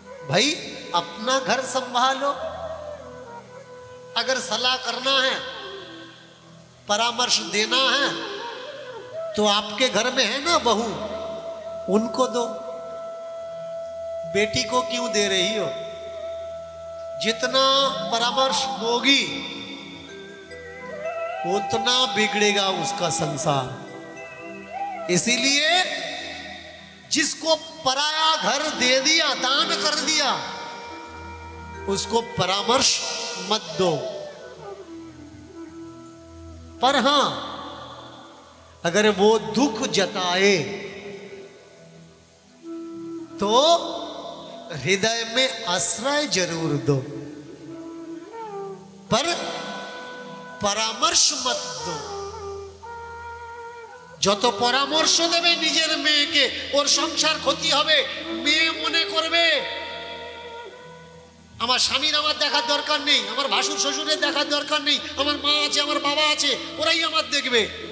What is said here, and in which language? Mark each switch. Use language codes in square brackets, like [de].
[hi] ভাই আপনা ঘর সম্ভালো, আগর সলাহ করনা হ্যাঁ পরামর্শ দেনা হ্যাঁ তো আপকে ঘর মে হ্যাঁ না বহু, উনকো দো, বেটি কো কিউ দে রহি হো, জিতনা পরামর্শ দোগি उतना बिगड़ेगा उसका संसार। इसीलिए जिसको पराया घर दे दिया, दान कर दिया, उसको परामर्श मत दो। पर हां, अगर वो दुख जताए तो हृदय में आश्रय जरूर दो, पर परामर्श मत दो। [bn] যত পরামর্শ দেবে নিজের মেয়েকে, ওর সংসার ক্ষতি হবে, মেয়ে মনে করবে আমার স্বামীর আমার দেখার দরকার নেই, আমার ভাসুর শ্বশুরের দেখার দরকার নেই, আমার মা আছে, আমার বাবা আছে, ওরাই আমার দেখবে।